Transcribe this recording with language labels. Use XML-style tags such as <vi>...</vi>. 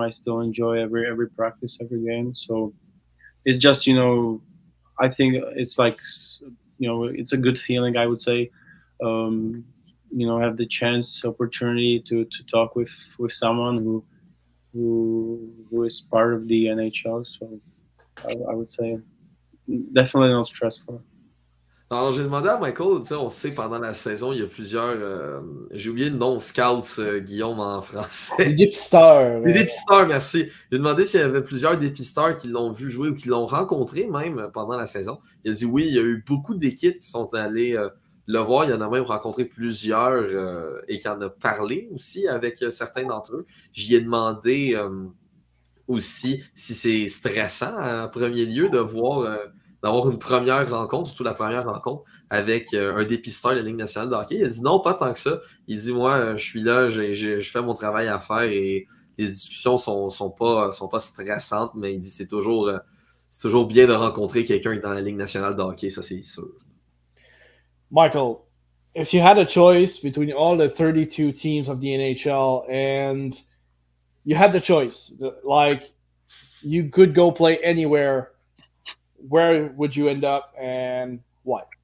<en>I still enjoy every practice, every game. So it's just, you know, I think it's like, you know, it's a good feeling, I would say. You know, have the chance, opportunity to talk with someone who is part of the NHL. So I would say definitely not stressful.</en> <fr>Alors, j'ai demandé à Michael, tu sais, on sait que pendant la saison, il y a plusieurs. J'ai oublié le nom, scouts, Guillaume en français. Les dépisteurs. Les dépisteurs, merci. J'ai demandé s'il y avait plusieurs dépisteurs qui l'ont vu jouer ou qui l'ont rencontré même pendant la saison. Il a dit oui, il y a eu beaucoup d'équipes qui sont allées le voir. Il y en a même rencontré plusieurs et qui en a parlé aussi avec certains d'entre eux. J'y ai demandé aussi si c'est stressant en premier lieu de voir. D'avoir une première rencontre, surtout la première rencontre, avec un dépisteur de la Ligue nationale de hockey. Il a dit non, pas tant que ça. Il dit, moi, je suis là, je fais mon travail à faire et les discussions sont pas stressantes, mais il dit c'est toujours bien de rencontrer quelqu'un dans la Ligue nationale de hockey, ça c'est sûr.</fr> <en>Michael, if you had a choice between all the 32 teams of the NHL and you had the choice, like you could go play anywhere, where would you end up and why?</en>